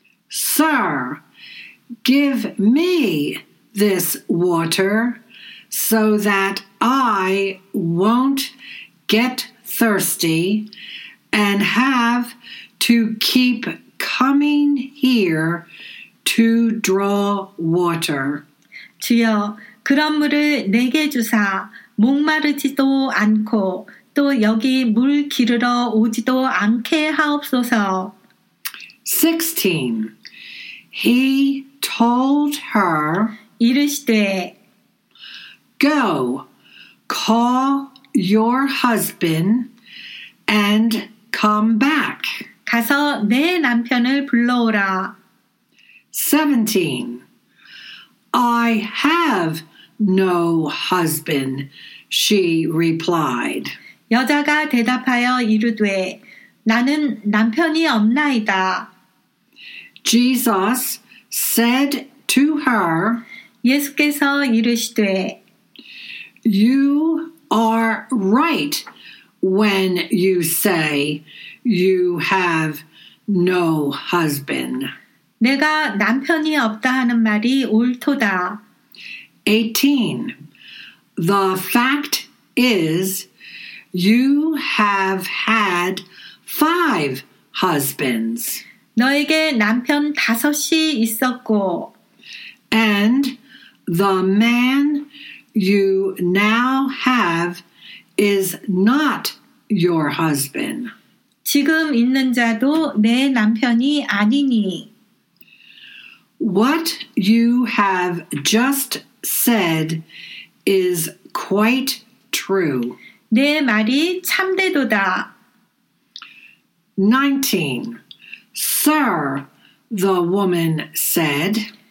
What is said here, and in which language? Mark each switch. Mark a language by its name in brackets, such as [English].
[English] Sir, give me this water so that I won't get thirsty and have to keep coming here to draw water. [Korean] 주여, 그런 물을 내게 주사 목마르지도 않고 또 여기 물 기르러 오지도 않게 하옵소서. [English] 16. He told her, [Korean] 이르시되, [English] Go, call your husband and come back. [Korean] 가서 내 남편을 불러오라. [English] 17. I have no husband, she replied. [Korean] 여자가 대답하여 이르되, 나는 남편이 없나이다. [English] Jesus said to her, [Korean] 예수께서 이르시되, [English] You are right when you say you have no husband. [Korean] 내가 남편이 없다 하는 말이 옳도다. [English] 18. The fact is, you have had five husbands. [Korean] 너에게 남편 다섯이 있었고, [English] And the man you now have is not your husband. [Korean] 지금 있는 자도 내 남편이 아니니. [English] What you have just said is quite true. [Korean] 내 말이 참되도다. [English] 19. Sir, the woman said,